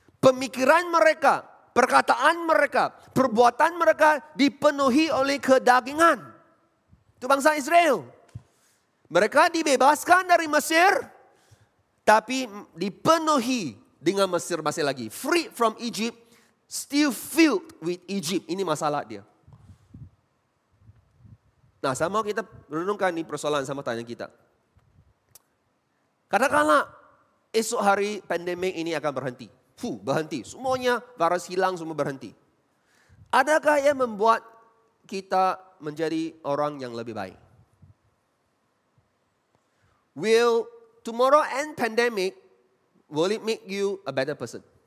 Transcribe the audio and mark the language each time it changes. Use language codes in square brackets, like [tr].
[id] pemikiran mereka, perkataan mereka, perbuatan mereka dipenuhi oleh kedagingan. Itu bangsa Israel. Mereka dibebaskan dari Mesir, tapi dipenuhi dengan Mesir masih lagi. [en] Free from Egypt, still filled with Egypt. [id] Ini masalah dia. Nah, saya mau kita renungkan ini persoalan sama tanya kita. Katakanlah esok hari pandemi ini akan berhenti. Berhenti. Semuanya virus hilang, semua berhenti. Adakah yang membuat kita menjadi orang yang lebih baik? [en] Will tomorrow end pandemic, will it make you a better person?